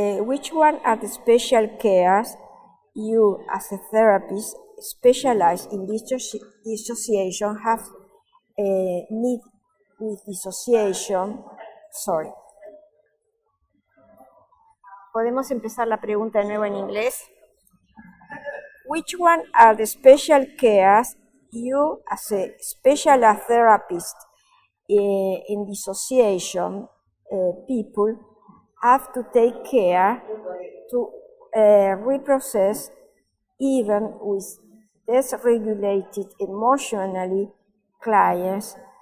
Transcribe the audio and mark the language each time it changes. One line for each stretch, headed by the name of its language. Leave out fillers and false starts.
English: Which one are the special cares you, as a therapist, specialized in dissociation have need with dissociation? Sorry.
Spanish: ¿Podemos empezar la pregunta de nuevo en inglés?
English: Which one are the special cares you, as a specialized therapist in dissociation people, have to take care to reprocess even with dysregulated emotionally clients?